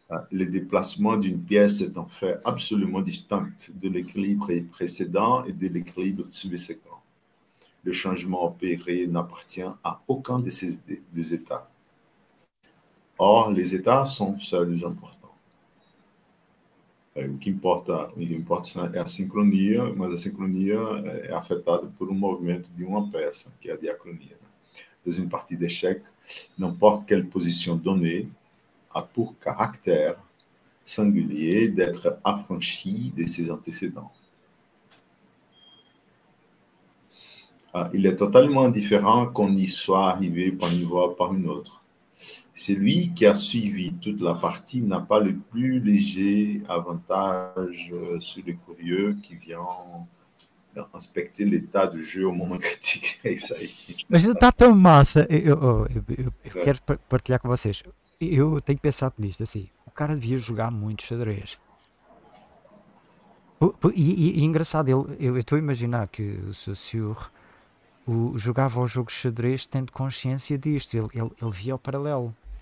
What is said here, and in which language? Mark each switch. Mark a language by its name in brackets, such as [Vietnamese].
[French] Le déplacement d'une pièce est un fait absolument distinct de l'équilibre précédent et de l'équilibre subséquent. Le changement opéré n'appartient à aucun de ces deux états. Or, les États sont seuls importants. [Portuguese] O que importe é a sincronia, mas a sincronia é afetada por um movimento de uma peça, que é a diachronia. Pois uma partida de xeque, não importa [French] quelle position donnée, a por caractère singulier d'être affranchi de ses antécédents. Il est totalement différent qu'on y soit arrivé par une voie ou par une autre. Celui qui a suivi toute la partie n'a pas le plus léger avantage sur le curieux qui vient inspecter l'état du jeu au moment critique. C'est ça. [Portuguese] Mas está tão massa, eu quero partilhar com vocês. Eu tenho pensado nisto assim: o cara devia jogar muito xadrez. E engraçado, eu estou a imaginar que o seu senhor jogava o jogo de xadrez tendo consciência disto, ele via o paralelo.